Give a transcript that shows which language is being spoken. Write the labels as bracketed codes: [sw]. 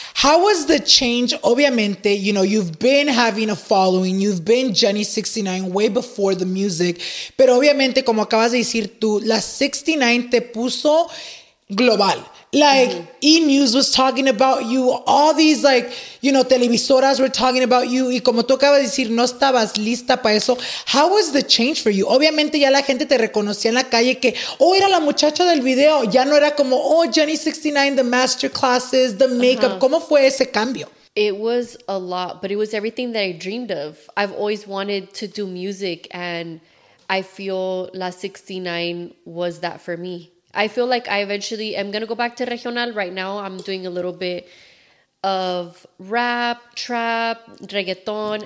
[en] How was the change? Obviamente, you know, you've been having a following, you've been Jenny69 way before the music, [es] pero obviamente, como acabas de decir tú, [en] La 69 [es] te puso global. [en] Like, E-News was talking about you. All these, like, you know, televisoras were talking about you. [es] Y como tú acabas de decir, no estabas lista para eso. [en] How was the change for you? [es] Obviamente, ya la gente te reconocía en la calle que, oh, era la muchacha del video. Ya no era como, oh, Jenny69, [en] the masterclasses, the makeup. Uh-huh. [es] ¿Cómo fue ese cambio? [en] It was a lot, but it was everything that I dreamed of. I've always wanted to do music, and I feel La 69 was that for me. I feel like I eventually am going to go back to regional. Right now, I'm doing a little bit of rap, trap, reggaeton.